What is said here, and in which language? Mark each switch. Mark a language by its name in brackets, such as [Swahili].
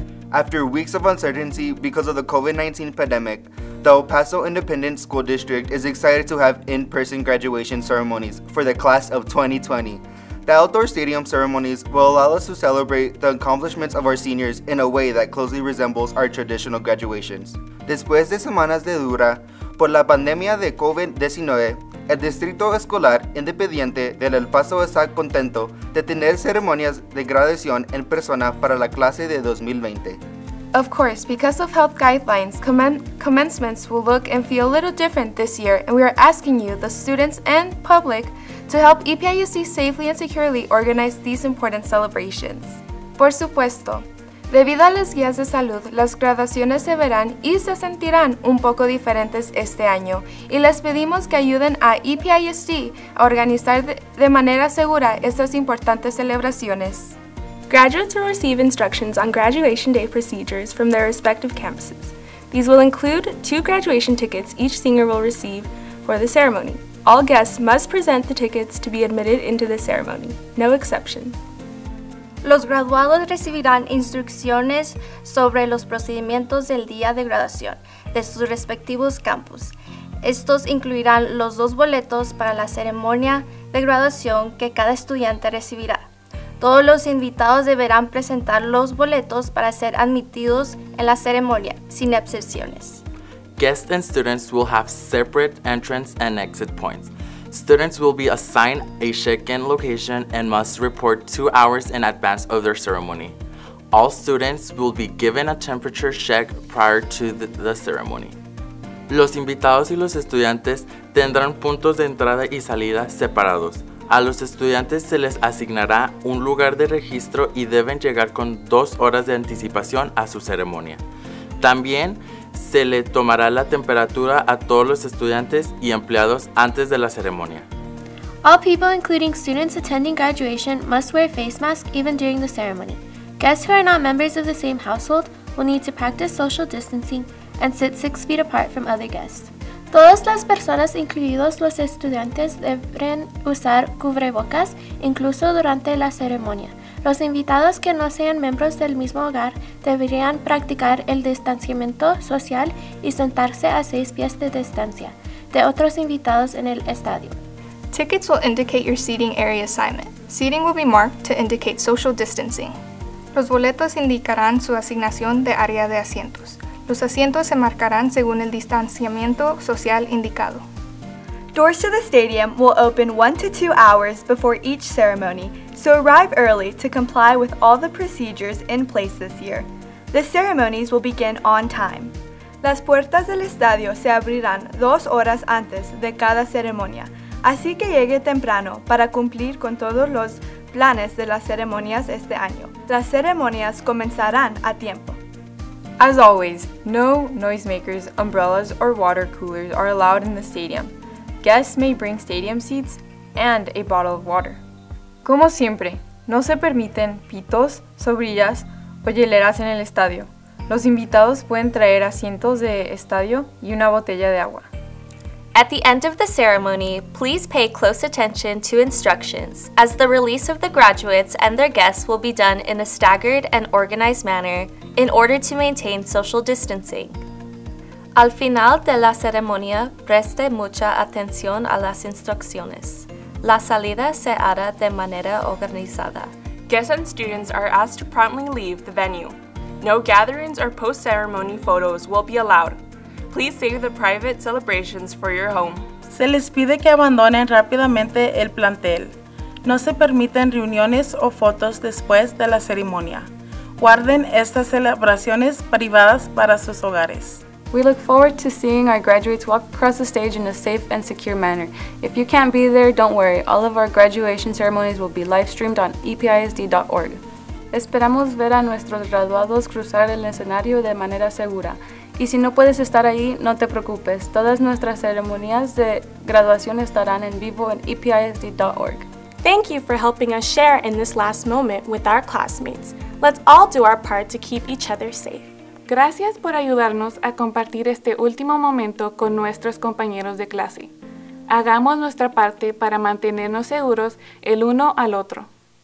[English] After weeks of uncertainty because of the COVID-19 pandemic, the El Paso Independent School District is excited to have in-person graduation ceremonies for the class of 2020. The outdoor stadium ceremonies will allow us to celebrate the accomplishments of our seniors in a way that closely resembles our traditional graduations. [Spanish] Después de semanas de dura por la pandemia de COVID-19, el Distrito Escolar Independiente del El Paso está contento de tener ceremonias de graduación en persona para la clase de 2020. [English] Of course, because of health guidelines, commencements will look and feel a little different this year, and we are asking you, the students and public, to help EPISD safely and securely organize these important celebrations. [Spanish] Por supuesto, debido a las guías de salud, las graduaciones se verán y se sentirán un poco diferentes este año, y les pedimos que ayuden a EPISD a organizar de manera segura estas importantes celebraciones. [English] Graduates will receive instructions on graduation day procedures from their respective campuses. These will include two graduation tickets each senior will receive for the ceremony. All guests must present the tickets to be admitted into the ceremony, no exception. [Spanish] Los graduados recibirán instrucciones sobre los procedimientos del día de graduación de sus respectivos campus. Estos incluirán los dos boletos para la ceremonia de graduación que cada estudiante recibirá. Todos los invitados deberán presentar los boletos para ser admitidos en la ceremonia, sin excepciones. [English] Guests and students will have separate entrance and exit points. Students will be assigned a check-in location and must report 2 hours in advance of their ceremony. All students will be given a temperature check prior to the ceremony. [Spanish] Los invitados y los estudiantes tendrán puntos de entrada y salida separados. A los estudiantes se les asignará un lugar de registro y deben llegar con 2 horas de anticipación a su ceremonia. También se le tomará la temperatura a todos los estudiantes y empleados antes de la ceremonia. [English] All people, including students attending graduation, must wear face masks even during the ceremony. Guests who are not members of the same household will need to practice social distancing and sit 6 feet apart from other guests. [Spanish] Todas las personas, incluidos los estudiantes, deben usar cubrebocas incluso durante la ceremonia. Los invitados que no sean miembros del mismo hogar deberían practicar el distanciamiento social y sentarse a 6 pies de distancia de otros invitados en el estadio. [English] Tickets will indicate your seating area assignment. Seating will be marked to indicate social distancing. [Spanish] Los boletos indicarán su asignación de área de asientos. Los asientos se marcarán según el distanciamiento social indicado. [English] Doors to the stadium will open 1 to 2 hours before each ceremony, so arrive early to comply with all the procedures in place this year. The ceremonies will begin on time. [Spanish] Las puertas del estadio se abrirán 2 horas antes de cada ceremonia, así que llegue temprano para cumplir con todos los planes de las ceremonias este año. Las ceremonias comenzarán a tiempo. [English] As always, no noisemakers, umbrellas, or water coolers are allowed in the stadium. Guests may bring stadium seats and a bottle of water. [Spanish] Como siempre, no se permiten pitos, sombrillas, o hieleras en el estadio. Los invitados pueden traer asientos de estadio y una botella de agua. [English] At the end of the ceremony, please pay close attention to instructions, as the release of the graduates and their guests will be done in a staggered and organized manner in order to maintain social distancing. [Spanish] Al final de la ceremonia, preste mucha atención a las instrucciones. La salida se hará de manera organizada. [English] Guests and students are asked to promptly leave the venue. No gatherings or post-ceremony photos will be allowed. Please save the private celebrations for your home. [Spanish] Se les pide que abandonen rápidamente el plantel. No se permiten reuniones o fotos después de la ceremonia. Guarden estas celebraciones privadas para sus hogares. [English] We look forward to seeing our graduates walk across the stage in a safe and secure manner. If you can't be there, don't worry. All of our graduation ceremonies will be live-streamed on EPISD.org. [Spanish] Esperamos ver a nuestros graduados cruzar el escenario de manera segura. Y si no puedes estar ahí, no te preocupes. Todas nuestras ceremonias de graduación estarán en vivo en EPISD.org. [English] Thank you for helping us share in this last moment with our classmates. Let's all do our part to keep each other safe. [Spanish] Gracias por ayudarnos a compartir este último momento con nuestros compañeros de clase. Hagamos nuestra parte para mantenernos seguros el uno al otro.